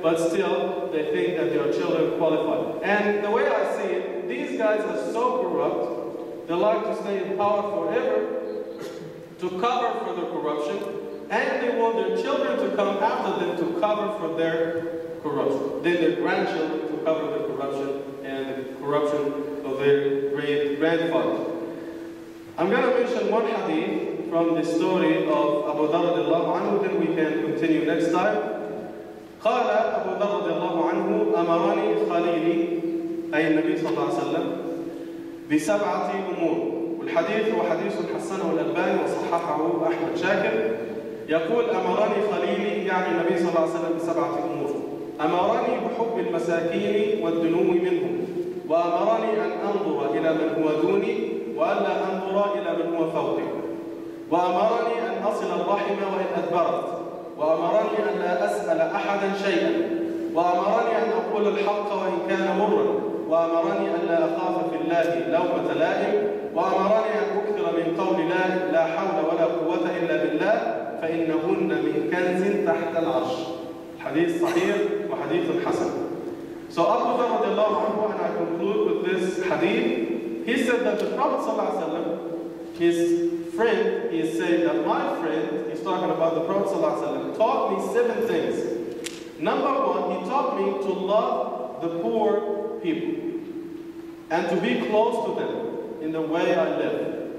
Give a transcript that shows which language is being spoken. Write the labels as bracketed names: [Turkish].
[English] But still, they think that their children qualify. And the way I see it, these guys are so corrupt, they like to stay in power forever to cover for their corruption, and they want their children to come after them to cover for their corruption. Then their grandchildren to cover their corruption and the corruption of their great-grandfather. I'm going to mention one hadith from the story of Abu Dharr radiallahu anhu, then we can continue next time. [Arabic] قال أبو ذر رضي الله عنه أمرني خليلي أي النبي صلى الله عليه وسلم بسبعة أمور. والحديث هو حديث حسنه الألباني وصححه أحمد شاكر. يقول أمرني خليلي يعني النبي صلى الله عليه وسلم بسبعة أمور. أمرني بحب المساكين والدنو منهم، وأمرني أن أنظر إلى من هو دوني وألا أنظر إلى من هو فوقي، وأمرني أن أصل الرحم وإن أدبرت، وأمرني أن لا أسأل أحدا شيئا، وأمرني أن أقول الحق وإن كان مرا، وأمرني أن لا أخاف في الله لومة لائم، وأمرني أن أكثر من قول لا حول ولا قوة إلا بالله فإنهن من كنز تحت العرش. حديث صحيح وحديث حسن. [English] So Abu Dharr رضي الله عنه, and I conclude with this hadith, he said that the Prophet صلى الله عليه وسلم, his friend, he is saying that my friend, he's talking about the Prophet صلى الله عليه وسلم, taught me seven things. Number one, he taught me to love the poor people and to be close to them in the way I live.